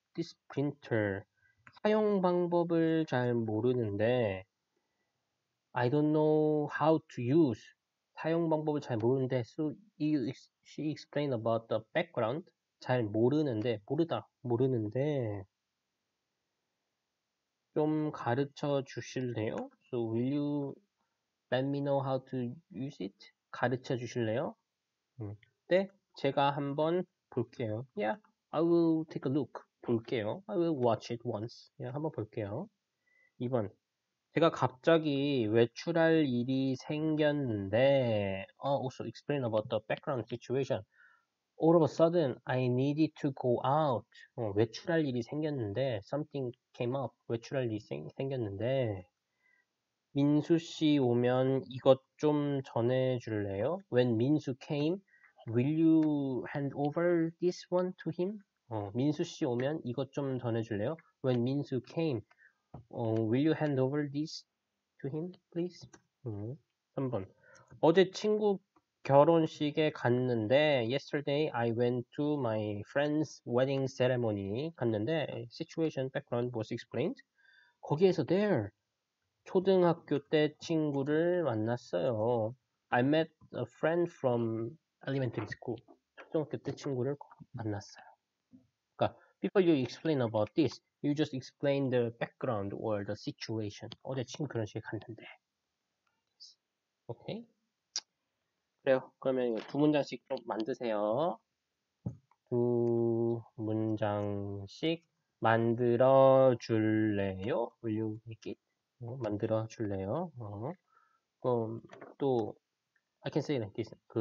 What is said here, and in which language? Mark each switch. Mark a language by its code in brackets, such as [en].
[en] This printer. [ko] 사용 방법을 잘 모르는데, [en] I don't know how to use. [ko] 사용 방법을 잘 모르는데, [en] so she explained about the background. [ko] 잘 모르는데, 모르다, 모르는데, 좀 가르쳐 주실래요? [en] So will you let me know how to use it? [ko] 가르쳐 주실래요? 네, 제가 한번 볼게요. [en] Yeah, I will take a look. 볼게요. I will watch it once. [ko] 예, 한번 볼게요. [en] 2번. [ko] 제가 갑자기 외출할 일이 생겼는데, [en] also explain about the background situation. All of a sudden, I needed to go out. [ko] 외출할 일이 생겼는데, [en] something came up. [ko] 외출할 일이 생겼는데, 민수 씨 오면 이것 좀 전해줄래요? [en] When 민수 came, will you hand over this one to him? [ko] 민수 씨 오면 이것 좀 전해줄래요? [en] When 민수 came, will you hand over this to him, please? 3번. [ko] 어제 친구 결혼식에 갔는데, [en] yesterday I went to my friend's wedding ceremony. [ko] 갔는데, [en] situation background was explained. [ko] 거기에서 there, 초등학교 때 친구를 만났어요. [en] I met a friend from elementary school. [ko] 초등학교 때 친구를 만났어요. [en] Before you explain about this, you just explain the background or the situation. [ko] 어제 친구 결혼식에 갔는데. 오케이? 그래요. 그러면 이거 두 문장씩 좀 만드세요. 두 문장씩 만들어 줄래요? [en] Will you make it? [ko] 만들어 줄래요? 그럼 또, [en] I can say like this.